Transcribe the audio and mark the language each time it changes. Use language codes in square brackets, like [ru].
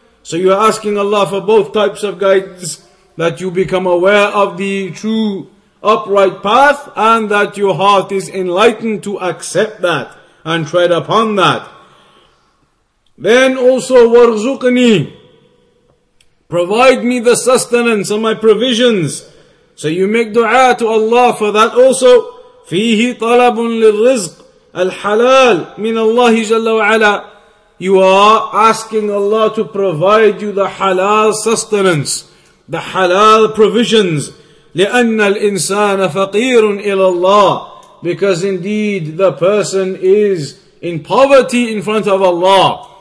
[en] So you are asking Allah for both types of guidance, that you become aware of the true upright path, and that your heart is enlightened to accept that and tread upon that. Then also, warzuqni, provide me the sustenance and my provisions. So you make dua to Allah for that also. [ar] فيه طلب للرزق الحلال من الله جل وعلا. [en] You are asking Allah to provide you the halal sustenance, the halal provisions. [ar] لأن الإنسان فقير إلى الله, [en] because indeed the person is in poverty in front of Allah.